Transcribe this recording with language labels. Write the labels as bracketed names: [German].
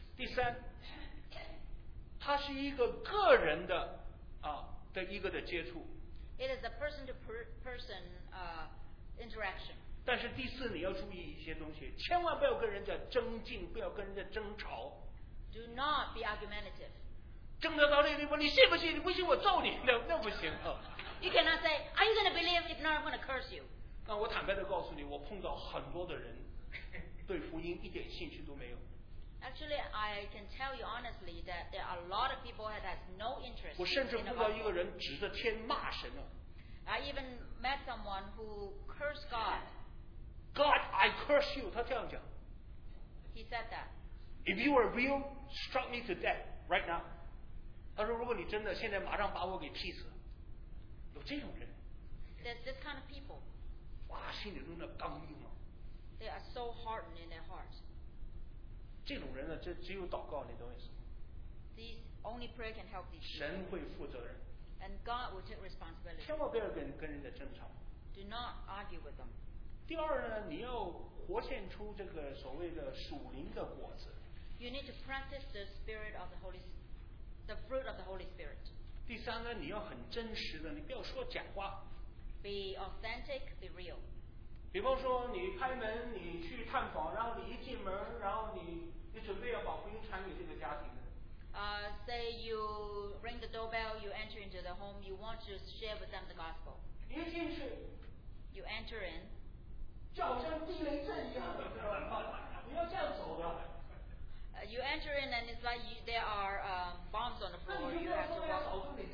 [Chinese] 第三，它是一个个人的啊的一个的接触。 [English] It is a person to person interaction. [Chinese] 但是第四，你要注意一些东西，千万不要跟人家争竞，不要跟人家争吵。 [English] Do not be argumentative. [Chinese] 争得到那个地方，你信不信？你不信我揍你，那不行啊。 [English] You cannot say, are you going to believe if not, I'm going to curse you. [Chinese] 那我坦白地告诉你，我碰到很多的人对福音一点兴趣都没有。 [English] Actually, I can tell you honestly that there are a lot of people that has no interest. [Chinese] 我甚至碰到一个人指着天骂神了。 [English] I even met someone who cursed God. God, I curse you. [Chinese] 他这样讲。 [English] He said that. If you are real, struck me to death right now. [Chinese] 他说如果你真的现在马上把我给劈死。有这种人。 [English] There's this kind of people. [Chinese] 哇，心里都那刚硬啊。 [English] They are so hardened in their hearts. [Chinese] 这种人呢，这只有祷告，你懂意思吗？ [English] These only prayer can help these people. [Chinese] 神会负责任。 [English] And God will take responsibility. [Chinese] 千万不要跟人家争吵。 [English] Do not argue with them. [Chinese] 第二呢，你要活现出这个所谓的属灵的果子。 [English] You need to practice the spirit of the Holy, the fruit of the Holy Spirit. [Chinese] 第三个，你要很真实的，你不要说假话。 [English] Be authentic, be real. [Chinese] 比方说，你开门，你去探访，然后你一进门，然后你准备要把福音传给这个家庭的。 [English] Say you ring the doorbell, you enter into the home, you want to share with them the gospel. [Chinese] 一进去 [English] ，You enter in. [Chinese] 就好像地雷阵一样，知道吗？你要这样走的。 [English] You enter in and it's like you, there are bombs on the floor. You have to walk.